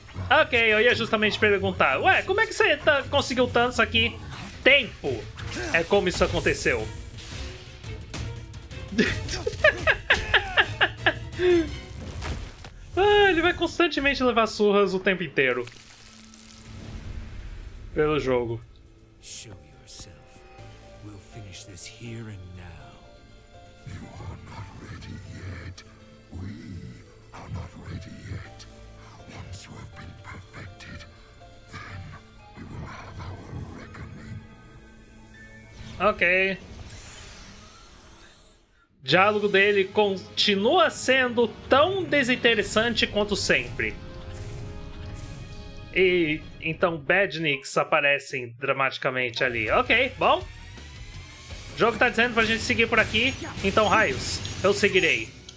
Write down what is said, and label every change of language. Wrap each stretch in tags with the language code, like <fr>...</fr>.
<pt>Ok, eu ia justamente perguntar. Ué, como é que você conseguiu tanto isso aqui? Tempo é como isso aconteceu. Ah, ele vai constantemente levar surras o tempo inteiro. Pelo jogo.</pt> <en>Show yourself. We'll finish this here and now. You are not ready yet. We are not ready yet. Once you have been perfected, then we will have our reckoning. Ok.</en> <pt>Diálogo dele continua sendo tão desinteressante quanto sempre. E então Badniks aparecem dramaticamente ali. Ok, bom. O jogo tá dizendo pra gente seguir por aqui. Então, raios, eu seguirei.</pt>